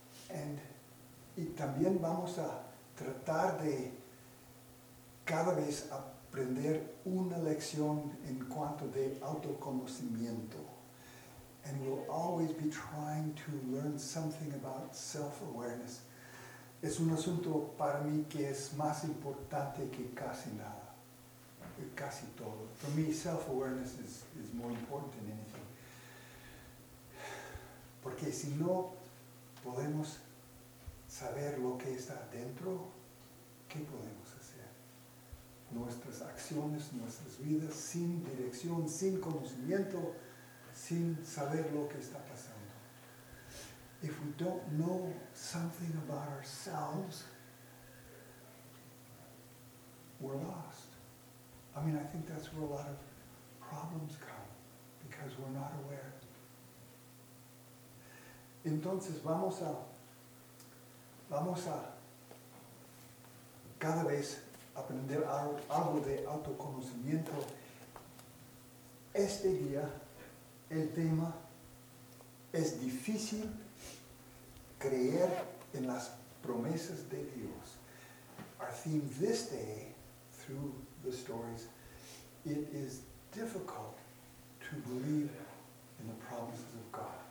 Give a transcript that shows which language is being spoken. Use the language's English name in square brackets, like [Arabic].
[Spanish] And y también vamos a tratar de cada vez a aprender una lección en cuanto de autoconocimiento. [English] And we'll always be trying to learn something about self-awareness. [Spanish] Es un asunto para mí que es más importante que casi nada, casi todo. [English] For me, self-awareness is more important than anything. [Spanish] Porque si no podemos saber lo que está adentro, ¿qué podemos hacer? Nuestras acciones, nuestras vidas, sin dirección, sin conocimiento, sin saber lo que está pasando. [English] If we don't know something about ourselves, we're lost. I mean, I think that's where a lot of problems come, because we're not aware. [Spanish] Entonces, vamos a cada vez aprender algo de autoconocimiento. Este día el tema es difícil creer en las promesas de Dios. [English] Our theme this day, through the stories, it is difficult to believe in the promises of God.